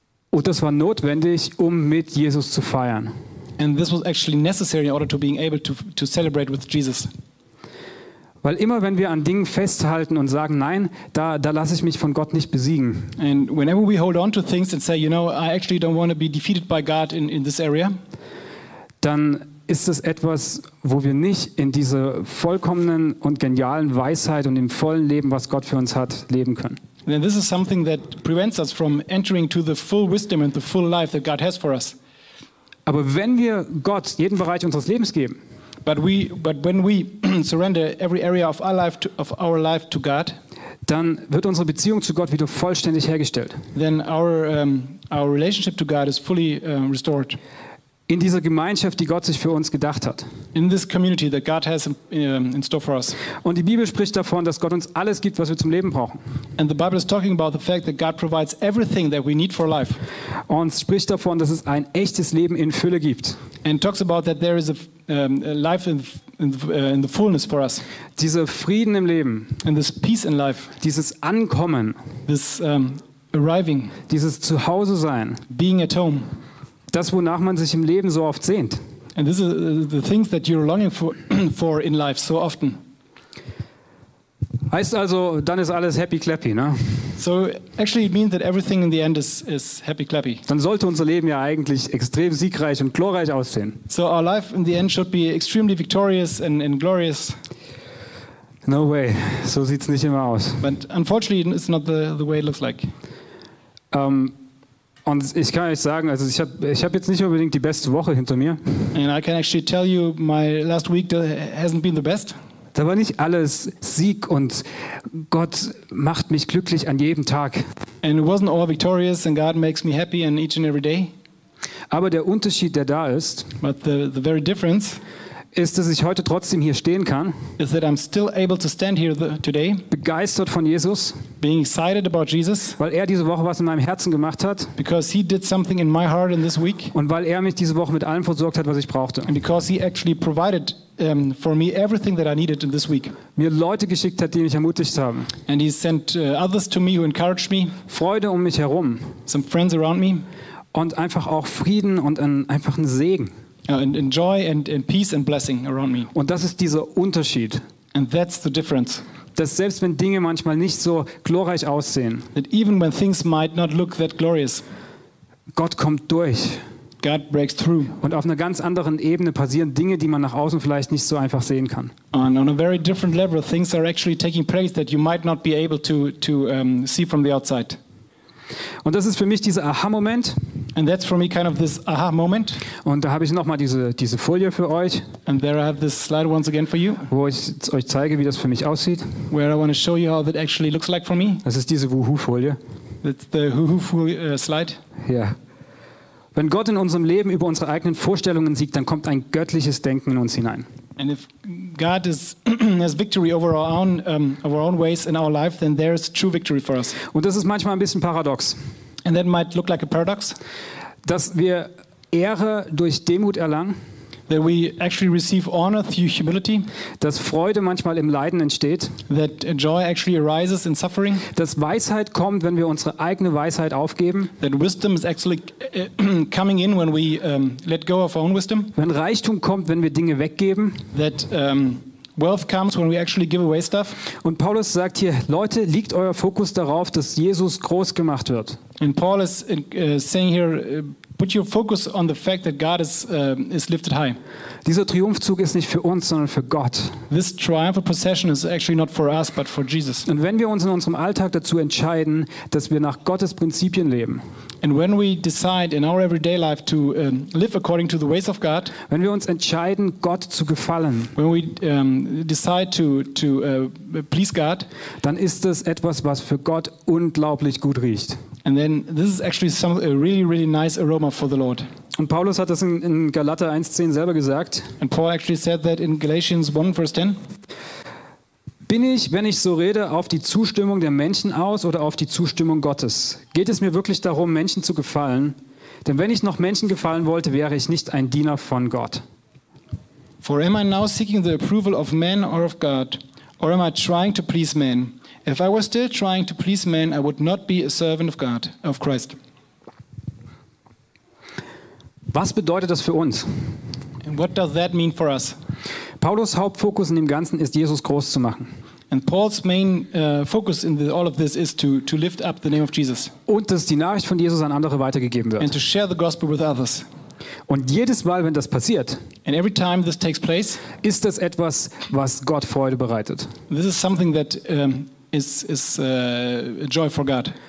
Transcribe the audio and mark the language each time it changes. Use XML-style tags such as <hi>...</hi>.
<de>Und das war notwendig, um mit Jesus zu feiern.</de> <en>And this was actually necessary in order to being able to celebrate with Jesus.</en> <de>Weil immer, wenn wir an Dingen festhalten und sagen, nein, da lasse ich mich von Gott nicht besiegen.</de> <en>And whenever we hold on to things and say, you know, I actually don't want to be defeated by God in this area.</en> <de>Dann ist es etwas, wo wir nicht in diese vollkommenen und genialen Weisheit und im vollen Leben, was Gott für uns hat, leben können.</de> <en>Then this is something that prevents us from entering to the full wisdom and the full life that God has for us.</en> <de>Aber wenn wir Gott jeden Bereich unseres Lebens geben,</de> <en>but when we surrender every area of our life to God,</en> <de>dann wird unsere Beziehung zu Gott wieder vollständig hergestellt.</de> <en>Then our relationship to God is fully restored.</en> <de>In dieser Gemeinschaft, die Gott sich für uns gedacht hat.</de> <en>In this community that God has in store for us.</en> <de>Und die Bibel spricht davon, dass Gott uns alles gibt, was wir zum Leben brauchen.</de> <en>And the Bible is talking about the fact that God provides everything that we need for life.</en> <de>Und spricht davon, dass es ein echtes Leben in Fülle gibt.</de> <en>And talks about that there is a life in the fullness for us.</en> <de>Dieser Frieden im Leben.</de> <en>And this peace in life.</en> <de>Dieses Ankommen.</de> <en>This arriving.</en> <de>Dieses Zuhause sein.</de> <en>Being at home.</en> <de>Das, wonach man sich im Leben so oft sehnt.</de> <en>And this is the things that you're longing for in life so often.</en> <de>Heißt also, dann ist alles</de> <en>happy clappy,</en> <de>ne?</de> <en>So actually it means that everything in the end is happy clappy.</en> <de>Dann sollte unser Leben ja eigentlich extrem siegreich und glorreich aussehen.</de> <en>So our life in the end should be extremely victorious and glorious. No way,</en> <de>so sieht's nicht immer aus.</de> <en>But unfortunately it's not the way it looks like.</en> <de>Und ich kann euch sagen, also ich habe jetzt nicht unbedingt die beste Woche hinter mir.</de> <en>And I can actually tell you my last week hasn't been the best.</en> <de>Da war nicht alles Sieg und Gott macht mich glücklich an jedem Tag.</de> <en>And it wasn't all victorious and God makes me happy in each and every day.</en> <de>Aber der Unterschied, der da ist,</de> <en>but the very difference</en> <de>ist, dass ich heute trotzdem hier stehen kann.</de> <en>Is that I'm still able to stand here today.</en> <de>Begeistert von Jesus.</de> <en>Being excited about Jesus.</en> <de>Weil er diese Woche was in meinem Herzen gemacht hat.</de> <en>Because he did something in my heart in this week.</en> <de>Und weil er mich diese Woche mit allem versorgt hat, was ich brauchte.</de> <en>And because he actually provided for me everything that I needed in this week.</en> <de>Mir Leute geschickt hat, die mich ermutigt haben.</de> <en>And he sent others to me who encouraged me.</en> <de>Freude um mich herum.</de> <en>Some friends around me.</en> <de>Und einfach auch Frieden und einfach ein Segen.</de> <en>And joy and peace and blessing around me.</en> <de>Und das ist dieser Unterschied.</de> <en>And that's the difference.</en> <de>Dass selbst wenn Dinge manchmal nicht so glorreich aussehen,</de> <en>that even when things might not look that glorious,</en> <de>Gott kommt durch.</de> <en>God breaks through.</en> <de>Und auf einer ganz anderen Ebene passieren Dinge, die man nach außen vielleicht nicht so einfach sehen kann.</de> <en>And on a very different level, things are actually taking place that you might not be able to see from the outside.</en> <de>Und das ist für mich dieser Aha-Moment.</de> <en>And that's for me kind of this aha moment.</en> <de>Und da habe ich nochmal diese Folie für euch.</de> <en>And there I have this slide once again for you.</en> <de>Wo ich euch zeige, wie das für mich aussieht.</de> <en>Where I want to show you how that actually looks like for me.</en> <de>Das ist diese Wuhu-Folie.</de> <en>That's the Wuhu-Folie slide.</en> <de>Ja. Wenn Gott in unserem Leben über unsere eigenen Vorstellungen siegt, dann kommt ein göttliches Denken in uns hinein.</de> <en>And if God is has victory over our own ways in our life, then there is true victory for us.</en> <de>Und das ist manchmal ein bisschen paradox.</de> <en>And that might look like a paradox.</en> <de>Dass wir Ehre durch Demut erlangen.</de> <en>That we actually receive honor through humility.</en> <de>Dass Freude manchmal im Leiden entsteht.</de> <en>That joy actually arises in suffering.</en> <de>Dass Weisheit kommt, wenn wir unsere eigene Weisheit aufgeben.</de> <en>That wisdom is actually coming in when we let go of our own wisdom.</en> <de>Wenn Reichtum kommt, wenn wir Dinge weggeben.</de> <en>That wealth comes when we actually give away stuff.</en> <de>Und Paulus sagt hier, Leute, liegt euer Fokus darauf, dass Jesus groß gemacht wird.</de> <en>And Paul is saying here, put your focus on the fact that God is lifted high.</en> <de>Dieser Triumphzug ist nicht für uns, sondern für Gott.</de> <en>This triumphal procession is actually not for us, but for Jesus.</en> <de>Und wenn wir uns in unserem Alltag dazu entscheiden, dass wir nach Gottes Prinzipien leben.</de> <en>And when we decide in our everyday life to live according to the ways of God,</en> <de>wenn wir uns entscheiden, Gott zu gefallen,</de> <en>when we decide to please God,</en> <de>dann ist das etwas, was für Gott unglaublich gut riecht.</de> <en>And then this is actually a really, really nice aroma for the Lord.</en> <de>Und Paulus hat das in Galater 1,10 selber gesagt.</de> <en>And Paul actually said that in Galatians 1, verse 10.</en> <de>Bin ich, wenn ich so rede, auf die Zustimmung der Menschen aus oder auf die Zustimmung Gottes? Geht es mir wirklich darum, Menschen zu gefallen? Denn wenn ich noch Menschen gefallen wollte, wäre ich nicht ein Diener von Gott.</de> <en>For am I now seeking the approval of men or of God? Or am I trying to please men? If I was still trying to please men, I would not be a servant of God, of Christ.</en> <de>Was bedeutet das für uns?</de> <en>And what does that mean for us?</en> <de>Paulus Hauptfokus in dem Ganzen ist, Jesus groß zu machen.</de> <en>And Paul's main focus in all of this is to lift up the name of Jesus.</en> <de>Und dass die Nachricht von Jesus an andere weitergegeben wird.</de> <en>And to share the gospel with others.</en> <de>Und jedes Mal, wenn das passiert,</de> <en>and every time this takes place,</en> <de>ist das etwas, was Gott Freude bereitet.</de> <en>This is something that is a joy for God.</en>